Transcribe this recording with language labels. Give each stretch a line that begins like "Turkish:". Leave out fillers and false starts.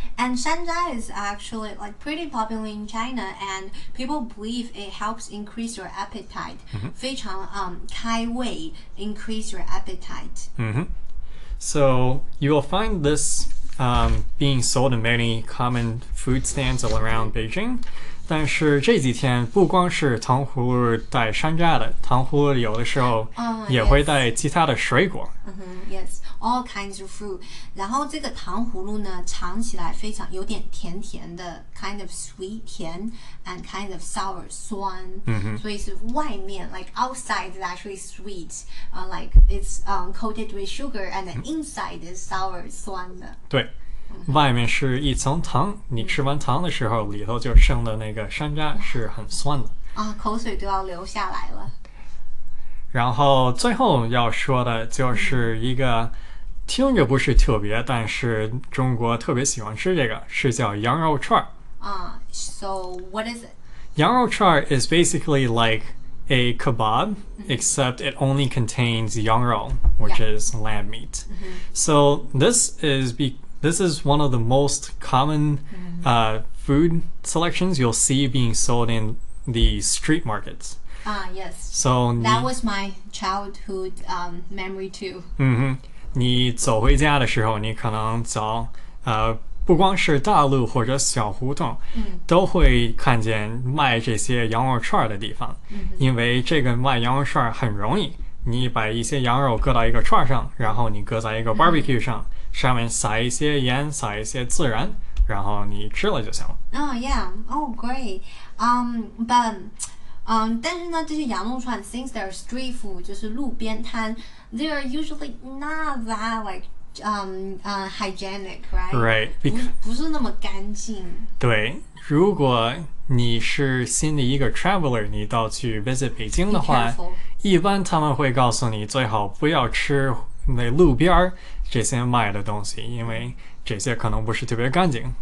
English: And shanzha is actually like pretty popular in China, and people believe it helps increase your appetite. Mm-hmm.
Chinese: 非常开胃,
English: increase your appetite. Mm-hmm. So you will find this being sold in many common food stands all around Beijing.
Chinese: 但是这几天不光是糖葫芦带shanzha的，糖葫芦有的时候也会带其他的水果。
English: Yes. Mm-hmm. Yes. All kinds of fruit.
Chinese: 然后这个糖葫芦呢，尝起来非常有点甜甜的
English: ，kind of sweet 甜 ，and kind of sour 酸。嗯哼。
Chinese: 所以是外面
English: ，like outside is actually sweet, like it's coated with sugar, and the inside is sour 酸的。
Chinese: 对，外面是一层糖，你吃完糖的时候，里头就剩的那个山楂是很酸的。啊，口水都要流下来了。然后最后要说的就是一个听着不是特别，但是中国特别喜欢吃这个，是叫羊肉串。
English: So what is it? 羊肉串 is basically like a kebab, except it only contains 羊肉, which is lamb meat. So this is one of the most common food selections you'll see being sold in the street markets. Yes. So that was my childhood memory too.
Chinese: 你走回家的时候，你可能走不光是大路或者小胡同，都会看见卖这些羊肉串的地方。因为这个卖羊肉串很容易，你把一些羊肉搁到一个串上，然后你搁在一个 barbecue 上，上面撒一些盐，撒一些孜然，然后你吃了就行了。
English: Oh yeah. Oh great. But.
Chinese: 但是呢，这些羊肉串
English: since they're street food,
Chinese: 就是路边摊
English: they are usually not that like hygienic, right? Right.
Chinese: 不是那么干净。对，如果你是新的一个 traveler, 你到去 visit 北京的话，一般他们会告诉你最好不要吃那路边这些卖的东西，因为这些可能不是特别干净。